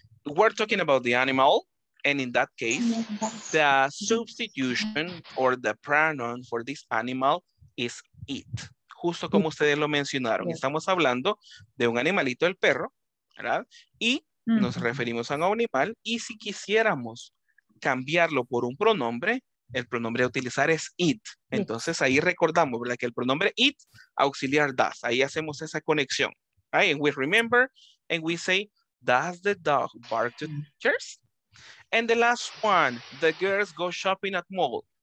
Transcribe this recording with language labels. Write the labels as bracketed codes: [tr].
[en] We're talking about the animal, and in that case, the substitution or the pronoun for this animal is it. [es] Justo como ustedes lo mencionaron, estamos hablando de un animalito, el perro, ¿verdad? Y nos referimos a un animal, y si quisiéramos cambiarlo por un pronombre, el pronombre a utilizar es it. Entonces ahí recordamos, ¿verdad? Que el pronombre it, auxiliar does, ahí hacemos esa conexión. [en] Right? And we remember, and we say, does the dog bark to teachers? And the last one, the girls go shopping at mall.